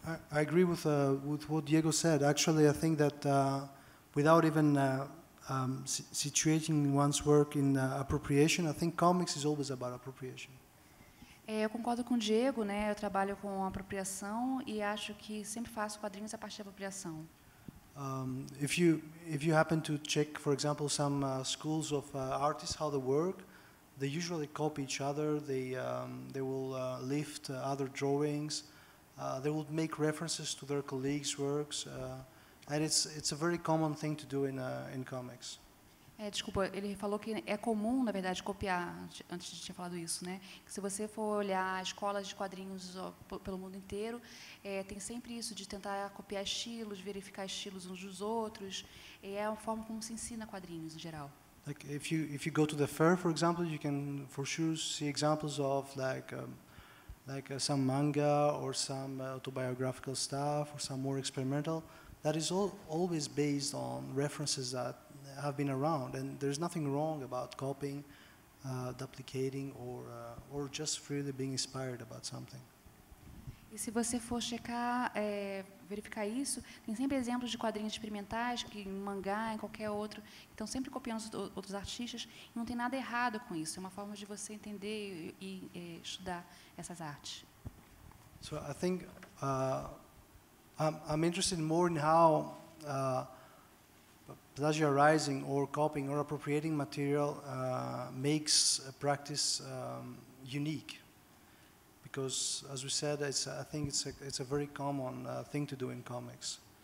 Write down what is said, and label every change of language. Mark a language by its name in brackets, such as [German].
[English] I agree with what Diego said. Actually, I think that without even situating one's work in appropriation, I think comics is always about appropriation. [Portuguese] Eu concordo com o Diego, né? Eu trabalho com apropriação e acho que sempre faço quadrinhos a partir da apropriação. [English] If you happen to check, for example, some schools of artists how they work, they usually copy each other. They will lift other drawings. They will make references to their colleagues' works, and it's a very common thing to do in comics. [Portuguese] Desculpa, ele falou que é comum, na verdade, copiar, antes de ter falado isso, né? Que se você for olhar escolas de quadrinhos pelo mundo inteiro, tem sempre isso de tentar copiar estilos, verificar estilos uns dos outros, e é a forma como se ensina quadrinhos, em geral. [English] Like if you go to the fair, for example, you can for sure see examples of like some manga or some autobiographical stuff or some more experimental. That is always based on references that have been around, and there's nothing wrong about copying, duplicating, or just freely being inspired about something. [Portuguese] E se você for checar, verificar isso, tem sempre exemplos de quadrinhos experimentais, que em mangá, em qualquer outro, estão sempre copiando outros artistas, e não tem nada errado com isso. É uma forma de você entender e estudar essas artes. [English] So I think I'm interested more in how plagiarizing or copying or appropriating material makes a practice unique, because, as we said, I think it's a very common thing to do in comics.